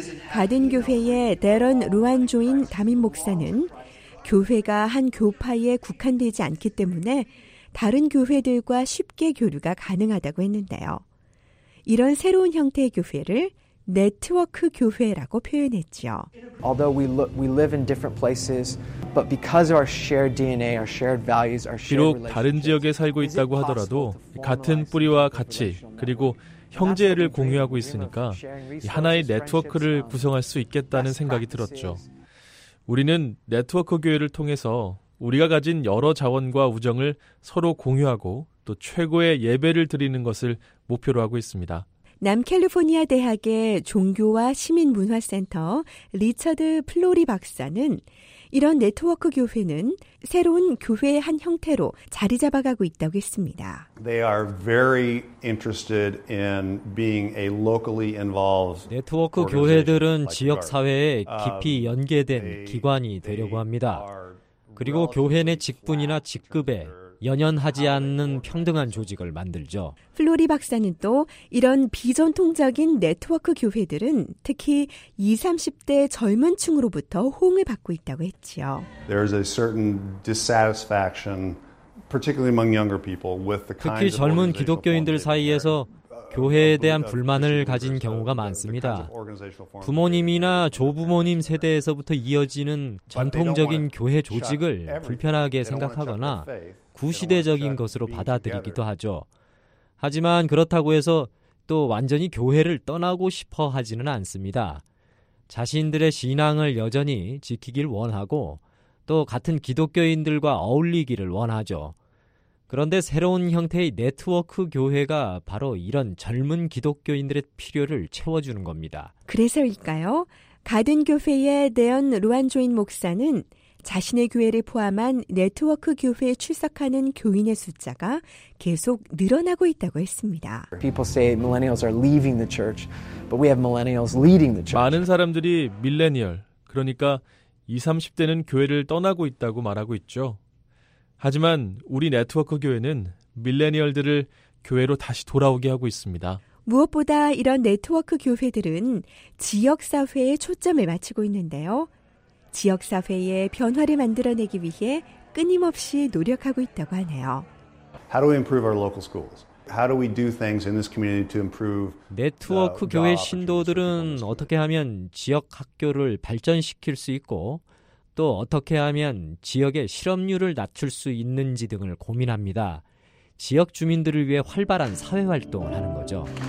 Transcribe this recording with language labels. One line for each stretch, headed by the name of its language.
Korean: 가든 교회의 대런 루안조인 담임 목사는 교회가 한 교파에 국한되지 않기 때문에 다른 교회들과 쉽게 교류가 가능하다고 했는데요. 이런 새로운 형태의 교회를 네트워크 교회라고 표현했죠.
English: Although we live in different places, but because of our shared DNA, our shared values, our shared relationships,
Korean: 다른 지역에 살고 있다고 하더라도 같은 뿌리와 가치 그리고 형제애를 공유하고 있으니까 하나의 네트워크를 구성할 수 있겠다는 생각이 들었죠. 우리는 네트워크 교회를 통해서 우리가 가진 여러 자원과 우정을 서로 공유하고 또 최고의 예배를 드리는 것을 목표로 하고 있습니다. 남캘리포니아 대학의 종교와 시민문화센터 리처드 플로리 박사는 이런 네트워크 교회는 새로운 교회의 한 형태로 자리 잡아가고 있다고 했습니다.
English: They are very interested in being a locally involved.
Korean: 네트워크 교회들은 지역 사회에 깊이 연계된 기관이 되려고 합니다. 그리고 교회 내 직분이나 직급에 연연하지 않는 평등한 조직을 만들죠. 플로리 박사는 또 이런 비전통적인 네트워크 교회들은 특히 20, 30대 젊은 층으로부터 호응을 받고 있다고 했지요.
English: There is a certain dissatisfaction, particularly among younger people, with the kind of
Korean: 특히 젊은 기독교인들 사이에서 교회에 대한 불만을 가진 경우가 많습니다. 부모님이나 조부모님 세대에서부터 이어지는 전통적인 교회 조직을 불편하게 생각하거나 구시대적인 것으로 받아들이기도 하죠. 하지만 그렇다고 해서 또 완전히 교회를 떠나고 싶어 하지는 않습니다. 자신들의 신앙을 여전히 지키길 원하고 또 같은 기독교인들과 어울리기를 원하죠. 그런데 새로운 형태의 네트워크 교회가 바로 이런 젊은 기독교인들의 필요를 채워주는 겁니다. 그래서일까요? 가든 교회의 대언 루안조인 목사는 자신의 교회를 포함한 네트워크 교회에 출석하는 교인의 숫자가 계속 늘어나고 있다고 했습니다.
English: People say millennials are leaving the church, but we have millennials leading the church.
Korean: 많은 사람들이 밀레니얼, 그러니까 20, 30대는 교회를 떠나고 있다고 말하고 있죠. 하지만 우리 네트워크 교회는 밀레니얼들을 교회로 다시 돌아오게 하고 있습니다. 무엇보다 이런 네트워크 교회들은 지역사회에 초점을 맞추고 있는데요. 지역사회의 변화를 만들어내기 위해 끊임없이 노력하고 있다고 하네요.
English: How do we improve our local schools? How do we do things in this community to improve?
Korean: 네트워크 교회 신도들은 어떻게 하면 지역 학교를 발전시킬 수 있고 또 어떻게 하면 지역의 실업률을 낮출 수 있는지 등을 고민합니다. 지역 주민들을 위해 활발한 사회활동을 하는 거죠.